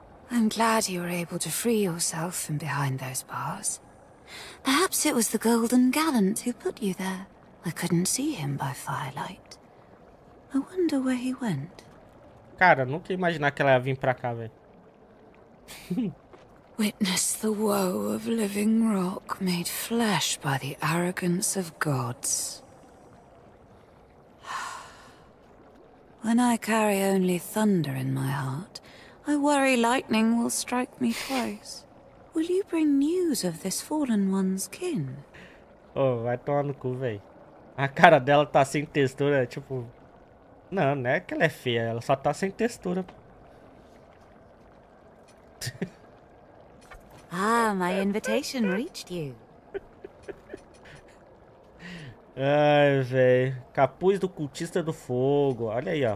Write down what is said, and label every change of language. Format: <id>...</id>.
<en>I'm glad you were able to free yourself from behind those bars. Perhaps it was the Golden Gallant who put you there. I couldn't see him by firelight. I wonder where he went.</en> <pt>Cara, nunca ia imaginar que ela ia vir pra cá, velho.</pt> <en>Witness the woe of living rock made flesh by the arrogance of gods. When I carry only thunder in my heart, I worry lightning will strike me twice. Will you bring news of this fallen one's kin?</en> <pt>Oh, vai tomar no cu, véi. A cara dela tá sem textura, tipo. Não, não é que ela é feia, ela só tá sem textura.</pt> <en>Ah, my invitation reached you.</en> <pt>Ai, velho. Capuz do cultista do fogo. Olha aí, ó.</pt>